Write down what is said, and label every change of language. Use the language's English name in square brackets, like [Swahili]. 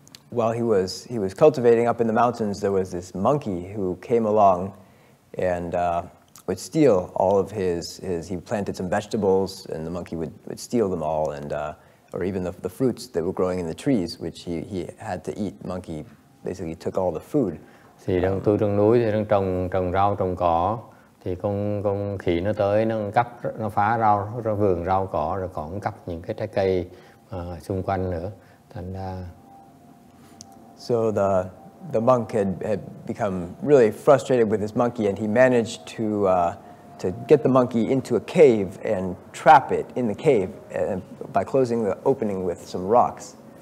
[English] While he was cultivating up in the mountains, there was this monkey who came along and would steal all of his he planted some vegetables, and the monkey would steal them all, and or even the fruits that were growing in the trees, which he had to eat. Monkey basically took all the food. [Vietnamese] Thì đang tu trong núi thì đang trồng rau trồng cỏ, thì con khỉ nó tới nó phá rau ra vườn rau cỏ, rồi còn cắp những cái trái cây xung quanh nữa. Thành ra. [English] So the monk had become really frustrated with this monkey, and he managed to get the monkey into a cave and trap it in the cave by closing the opening with some rocks.